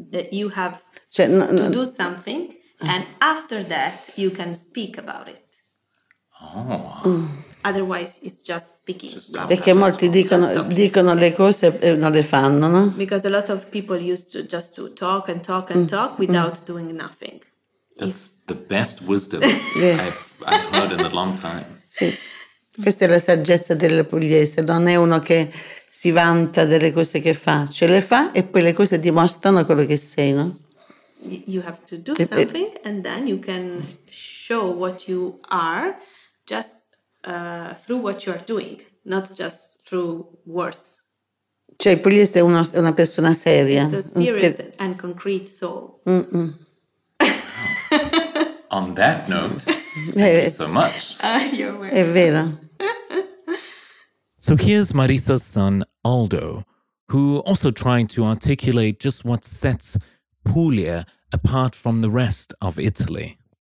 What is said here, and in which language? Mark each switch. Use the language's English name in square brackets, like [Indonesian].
[English] You have [Italian] cioè, [English] to do something and after that you can speak about it. Oh. Otherwise it's just speaking. Just [Italian] perché molti dicono le cose e non le fanno, no? [English] Because a lot of people used to just to talk and talk and talk without doing nothing. That's the best wisdom I've heard in a long time. [Italian] Sì. Questa è la saggezza delle pugliese, non è uno che si vanta delle cose che fa, ce le fa e poi le cose dimostrano quello che sei, no? [English] You have to do something and then you can show what you are just through what you are doing, not just through words. [Italian] Cioè il pugliese è una persona seria. [English] It's a serious and concrete soul. Mm-mm. On that note, thank you so much. You're welcome. [Italian] È vero. [English] So here's Marisa's son, Aldo, who also tried to articulate just what sets Puglia apart from the rest of Italy.